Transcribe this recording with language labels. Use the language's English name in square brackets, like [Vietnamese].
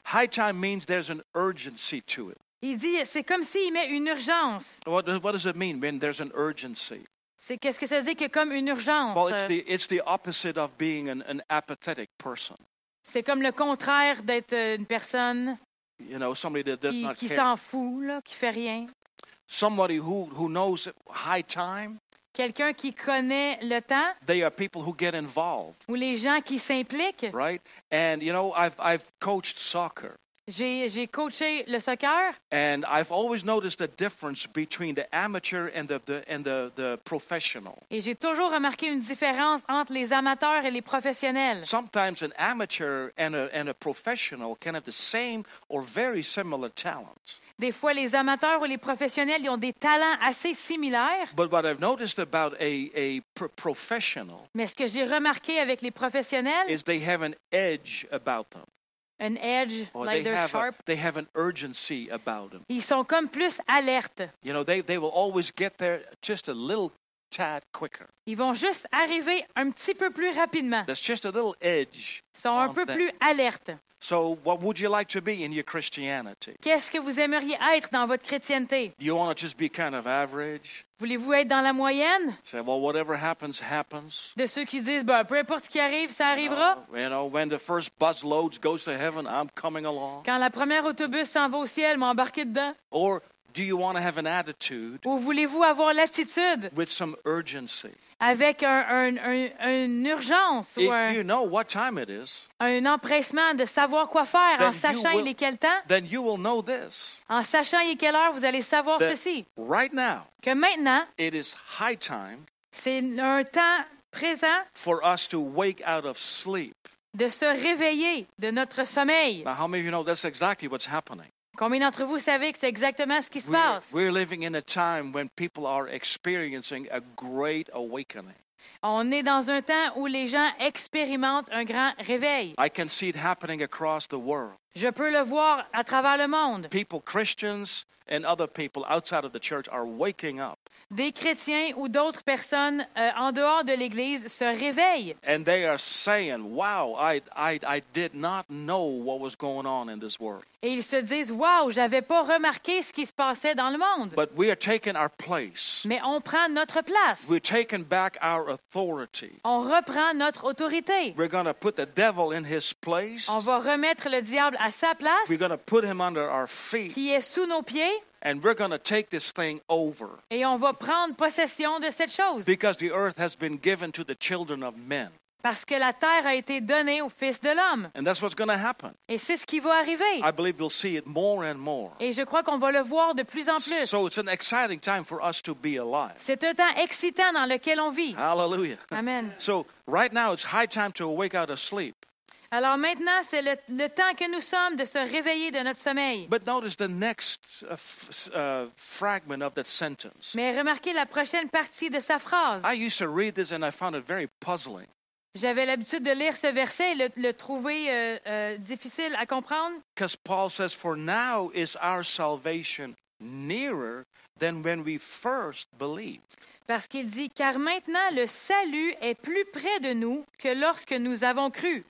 [English] High time means there's an urgency to it. [French] Il dit, c'est comme s'il met une urgence. [English] What does it mean when there's an urgency? [French] C'est, qu'est-ce que ça veut dire que comme une urgence? [English] Well, it's the opposite of being an apathetic person. [French] C'est comme le contraire d'être une personne, [English] you know, somebody that does not [French] qui s'en fout, là, qui fait rien. [English] Somebody who knows high time. [French] Quelqu'un qui connaît le temps. [English] They are people who get involved. [French] Ou les gens qui s'impliquent. [English] Right? And, you know, I've coached soccer. [French] J'ai coaché le soccer. [English] And I've always noticed the difference between the amateur and the professional. [French] Et j'ai toujours remarqué une différence entre les amateurs et les professionnels. [English] Sometimes an amateur and a professional can have the same or very similar talents. [French] Des fois, les amateurs ou les professionnels, ils ont des talents assez similaires. [English] But what I've noticed about a professional. [French] Mais ce que j'ai remarqué avec les professionnels. [English] Is they have an edge about them. An edge, or like they're sharp. They have an urgency about them. [French] Ils sont comme plus alertes. [English] You know, they will always get there just a little tad quicker. [French] Ils vont juste arriver un petit peu plus rapidement. [English] That's just a little edge. [French] Ils sont un peu plus alertes. [English] So what would you like to be in your Christianity? [French] Qu'est-ce que vous aimeriez être dans votre chrétienté? [English] Do you want to just be kind of average? [French] Voulez-vous être dans la moyenne? [English] Say, well, whatever happens, happens. [French] De ceux qui disent, ben, peu importe ce qui arrive, ça arrivera. [English] You know, when the first bus loads goes to heaven, I'm coming along. [French] Quand la première autobus s'en va au ciel, m'embarquer dedans. [English] Or do you want to have an attitude? [French] Ou voulez-vous avoir l'attitude? [English] With some urgency. [French] Avec une urgence [English] if [French] ou [English] you know what time it is, [French] un empressement de savoir quoi faire en sachant il est quel temps, [English] then you will know this, [French] en sachant il est quelle heure, vous allez savoir ceci. [English] Right now, [French] que maintenant, [English] it is high time, [French] c'est un temps présent [English] for us to wake out of sleep, [French] de se réveiller de notre sommeil. [English] Now, how many of you know that's exactly what's happening? [French] Combien d'entre vous savez que c'est exactement ce qui se passe? [English] We're living in a time when people are experiencing a great awakening. [French] On est dans un temps où les gens expérimentent un grand réveil. [English] I can see it happening across the world. [French] Je peux le voir à travers le monde. [English] People, Christians and other people outside of the church are waking up. [French] Des chrétiens ou d'autres personnes en dehors de l'église se réveillent. [English] And they are saying, "Wow, I did not know what was going on in this world." [French] Et ils se disent, "Wow, j'avais pas remarqué ce qui se passait dans le monde." [English] But we are taking our place. [French] Mais on prend notre place. [English] We're taking back our authority. [French] On reprend notre autorité. [English] We're going to put the devil in his place. [French] On va remettre le diable à sa place. [English] We're going to put him under our feet. [French] Qui est sous nos pieds. [English] And we're going to take this thing over. [French] Et on va prendre possession de cette chose. [English] Because the earth has been given to the children of men. [French] Parce que la terre a été donnée aux fils de l'homme. [English] And that's what's going to happen. [French] Et c'est ce qui va arriver. [English] I believe we'll see it more and more. [French] Et je crois qu'on va le voir de plus en plus. [English] So it's an exciting time for us to be alive. [French] C'est un temps excitant dans lequel on vit. Hallelujah. Amen. [English] So right now it's high time to awake out of sleep. [French] Alors maintenant, c'est le temps que nous sommes de se réveiller de notre sommeil. [English] But notice the next fragment of that sentence. [French] Mais remarquez la prochaine partie de sa phrase. [English] I used to read this and I found it very puzzling. [French] J'avais l'habitude de lire ce verset et le trouver difficile à comprendre. [English] Because Paul says, for now is our salvation nearer than when we first believed. [French] Parce qu'il dit, car maintenant le salut est plus près de nous que lorsque nous avons cru.